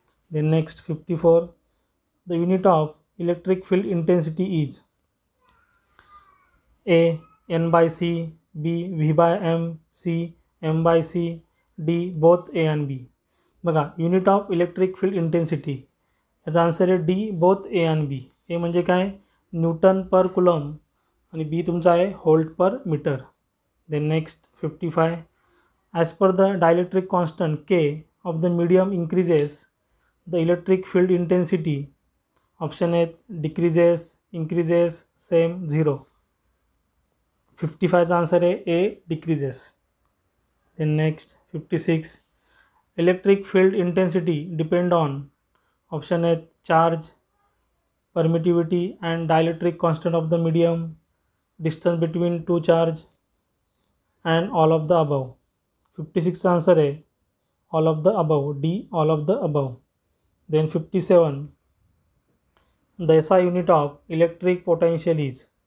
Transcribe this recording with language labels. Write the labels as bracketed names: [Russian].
[English] Then next 54, the unit of electric field intensity is A N by C, B V by M, C M by C, D both A and B. [Marathi] बघा [English] unit of electric field intensity [Marathi] याचा answer आहे D [English] Both A and B. [Marathi] ए म्हणजे काय, Newton per coulomb, आणि बी तुमचा आहे volt per metre. [English] Then next 55, as per the dielectric constant K of the medium increases the electric field intensity. Option आहेत decreases, increases, same, zero. [Marathi] 55 answer आहे ए decreases. [English] Then next 56, electric field intensity depend on. Option आहेत charge, permittivity and dielectric constant of the medium, distance between two charge and all of the above. [Marathi] 56 answer आहे [English] All of the above, D all of the above. Then 57, the SI unit of electric potential is.